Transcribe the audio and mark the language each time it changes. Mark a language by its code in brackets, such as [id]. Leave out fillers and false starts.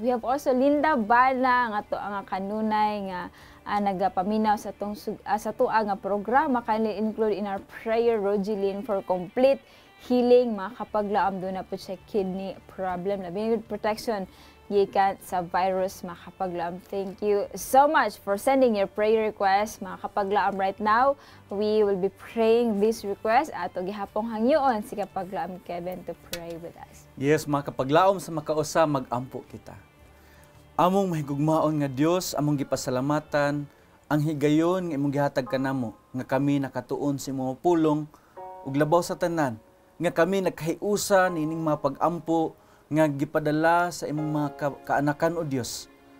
[en] We have also Linda Bana, [ceb] nga to ang kanunay nga nagapaminaw sa tong sa tuwa nga programa, [en] kindly include in our prayer Rogeline for complete healing, [ceb] mga kapaglaom, doon na po siya kidney problem, labi na protection gikan sa virus, mga kapaglaom. [en] Thank you so much for sending your prayer request, [ceb] mga kapaglaom. [en] Right now, we will be praying this request [ceb] at gihapong hangyoon si kapaglaom [en] Kevin to pray with us. [ceb] Yes, mga kapaglaom, sa makausa, mag-ampo kita. Among mahigugmaon nga Dios, among gipasalamatan, ang higayon nga imong gihatag kanamo nga kami nakatuon si mga pulong ug labaw sa tanan, nga kami nagkahiusa nining mga pag-ampo nga gipadala sa imong mga kaanakan o Dios.